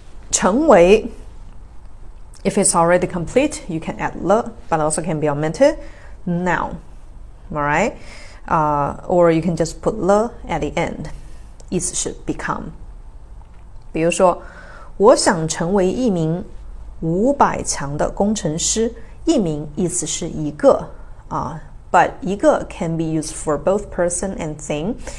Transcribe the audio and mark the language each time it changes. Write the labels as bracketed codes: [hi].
[en] 成为 if it's already complete, you can add le, but also can be omitted. Noun, alright? Or you can just put le at the end. [zh] 意思是 become. 比如说，我想成为一名500强的工程师。一名意思是一个啊。 [en] But 一个 can be used for both person and thing.